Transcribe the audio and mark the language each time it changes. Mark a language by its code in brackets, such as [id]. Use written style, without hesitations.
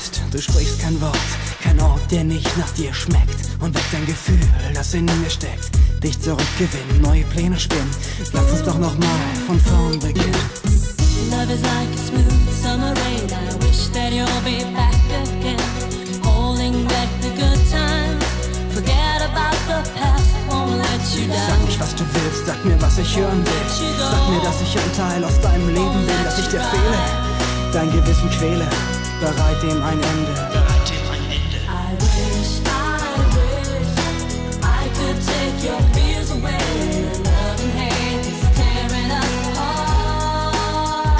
[de] Du sprichst kein Wort, kein Ort, der nicht nach dir schmeckt. Und weg dein Gefühl, das in mir steckt. Dich zurückgewinnen, neue Pläne spinnen. Lass uns doch nochmal von vorn beginnen. [en] Love is like a smooth summer rain. I wish that you'll be back again. Holding back the good times. Forget about the past, won't let you down. [de] Sag nicht, was du willst, sag mir, was ich hören will. Sag mir, dass ich ein Teil aus deinem Leben bin. Dass ich dir fehle, dein Gewissen quäle. Bereit dem ein Ende. [en] I wish I could take your fears away. Love and hate is tearing us apart.